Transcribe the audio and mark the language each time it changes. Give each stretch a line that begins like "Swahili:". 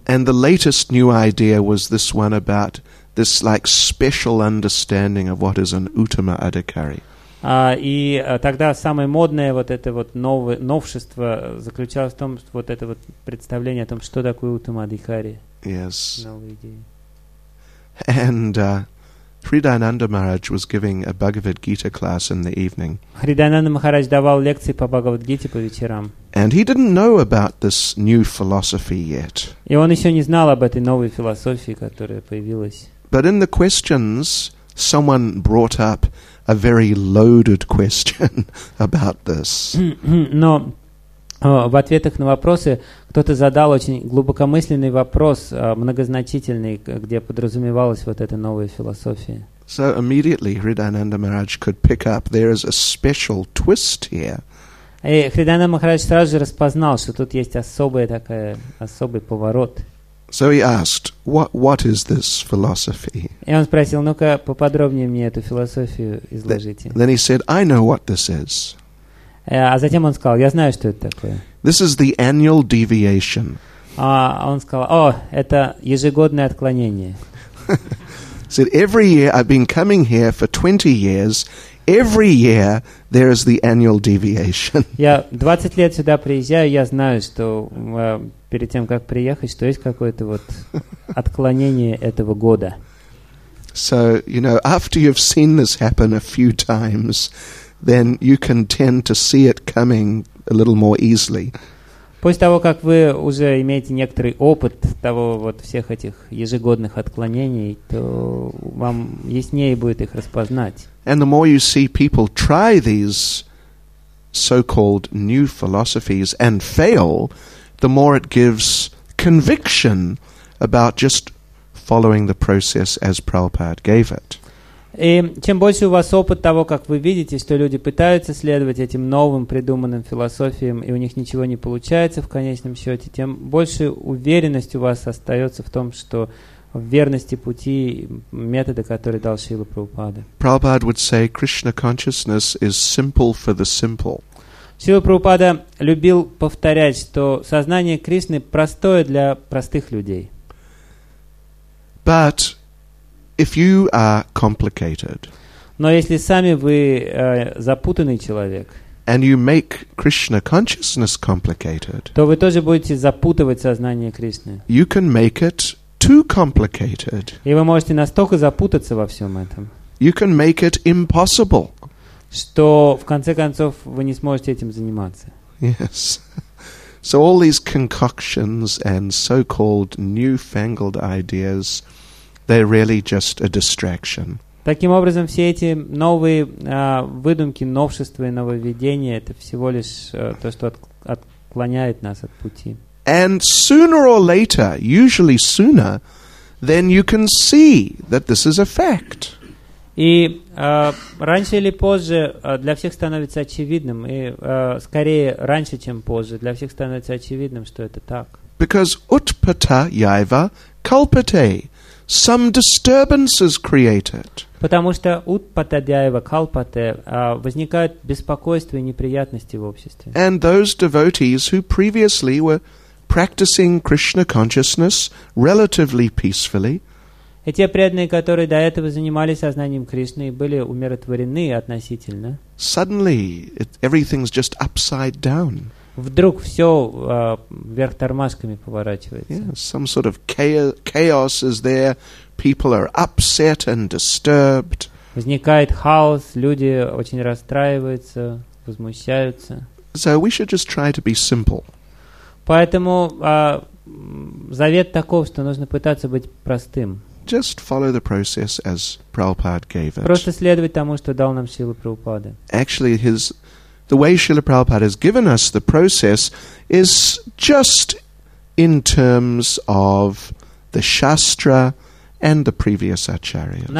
English: And the latest new idea was this one about this like special understanding of what is an Uttama Adhikari.
Russian: Тогда самое модное вот это вот новшество заключалось в том, что вот это вот представление о том, что такое Uttama Adhikari.
English: Yes. And Sri Dayananda Maharaj was giving a Bhagavad Gita class in the evening.
Russian: Sri Dayananda Maharaj давал лекции по Бхагавад Гите по вечерам.
English: And he didn't know about this new philosophy yet.
Russian: И он еще не знал об этой новой философии, которая появилась.
English: But in the questions, someone brought up a very loaded question about this.
Russian: Но в ответах на вопросы кто-то задал очень глубокомысленный вопрос, многозначительный, где подразумевалась вот эта новая философия.
English: So immediately Hridayananda Maharaj could pick up there is a special twist here.
Russian: И Hridayananda Maharaj сразу же распознал, что тут есть особая такая, особый поворот.
English: So he asked, what is this philosophy?
Russian: И он спросил, ну-ка, поподробнее мне эту философию изложите.
English: Then he said, I know what this is.
Russian: А затем он сказал, я знаю, что это такое.
English: This is the annual deviation.
Russian: А он сказал, о, это ежегодное отклонение.
English: He said, every year I've been coming here for 20 years, every year there is the annual deviation.
Russian: Я 20 лет сюда приезжаю, я знаю, что перед тем, как приехать, что есть какое-то вот отклонение этого года.
English: So, you know, after you've seen this happen a few times, then you can tend to see it coming a little more easily.
Russian: После того, как вы уже имеете некоторый опыт того вот всех этих ежегодных отклонений, то вам яснее будет их распознать.
English: And the more you see people try these so-called new philosophies and fail, the more it gives conviction about just following the process as Prabhupada gave it.
Russian: И чем больше у вас опыт того, как вы видите, что люди пытаются следовать этим новым придуманным философиям, и у них ничего не получается в конечном счете, тем больше уверенность у вас остается в том, что в верности пути метода, который дал Шрила Прабхупада.
English: Prabhupada would say, Krishna consciousness is simple for the simple.
Russian: Шрила Прабхупада любил повторять, что сознание Кришны простое для простых людей.
English: But if you are complicated,
Russian: но если сами вы запутанный человек,
English: and you make Krishna consciousness complicated,
Russian: то вы тоже будете запутывать сознание Кришны.
English: You can make it too complicated.
Russian: И вы можете настолько запутаться во всем этом.
English: You can make it impossible.
Russian: Что в конце концов вы не сможете этим заниматься.
English: Yes. So all these concoctions and so-called newfangled ideas, they're really just a distraction.
Russian: Таким образом, все эти новые выдумки, новшества и нововведения — это всего лишь то, что отклоняет нас от пути.
English: And sooner or later, usually sooner, then you can see that this is a fact.
Russian: И раньше или позже для всех становится очевидным, и скорее раньше, чем позже, для всех становится очевидным, что это так.
English: Because
Sanskrit: utpata yaiva kalpate,
English: some disturbances created.
Russian: Потому что
Sanskrit: утпата дьяйва калпате,
Russian: возникают беспокойства и неприятности в обществе.
English: And those devotees who previously were practicing Krishna consciousness relatively peacefully.
Russian: И те преданные, которые до этого занимались сознанием Кришны и были умиротворены относительно.
English: Suddenly, everything's just upside down.
Russian: Вдруг все вверх тормашками поворачивается.
English: Yeah, some sort of chaos is there. People are upset and disturbed.
Russian: Возникает хаос, люди очень расстраиваются, возмущаются.
English: So we should just try to be simple.
Russian: Поэтому завет таков, что нужно пытаться быть простым.
English: Just follow the process as Prabhupada gave it.
Russian: Просто следовать тому, что дал нам Шрила Прабхупада.
English: Actually, the way Srila Prabhupada has given us the process is just in terms of the Shastra and the previous acharyas.